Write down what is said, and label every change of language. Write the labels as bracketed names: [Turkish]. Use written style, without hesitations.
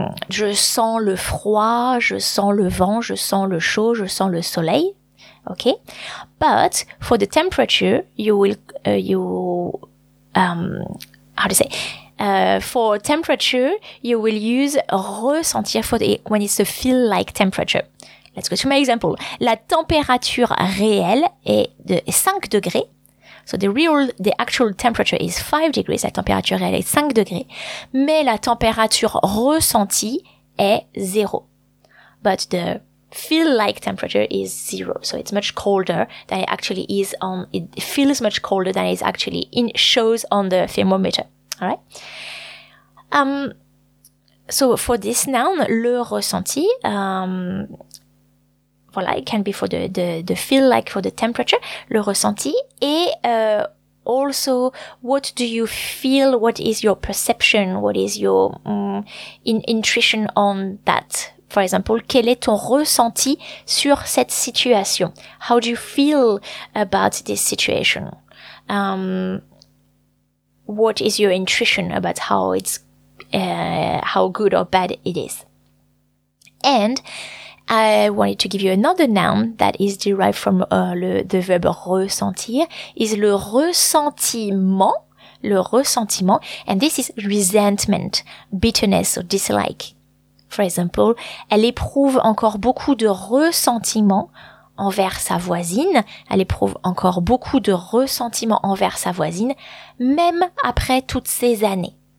[French] Je sens le froid, je sens le vent, je sens le chaud, je sens le soleil. [English] Okay? But for the temperature, for temperature, you will use ressentir for the, when it's a feel like temperature. Let's go to my example. [French] La température réelle est de 5 degrés. [English] So the actual temperature is 5 degrees. [French] La température réelle est 5 degrés. Mais la température ressentie est 0. [English] But the feel like temperature is 0. So it's much colder than it actually is on, it feels much colder than it actually in shows on the thermometer. All right? So for this noun, le ressenti, voilà, it can be for the feel like for the temperature, le ressenti, et also what do you feel, what is your perception, what is your intuition on that. For example, [French] quel est ton ressenti sur cette situation? [English] How do you feel about this situation? What is your intuition about how it's how good or bad it is? And I wanted to give you another noun that is derived from the verb ressentir, is le ressentiment. Le ressentiment. And this is resentment, bitterness or dislike. For example, [French] elle éprouve encore beaucoup de ressentiment envers sa voisine. Elle éprouve encore beaucoup de ressentiment envers sa voisine, même après toutes ces années.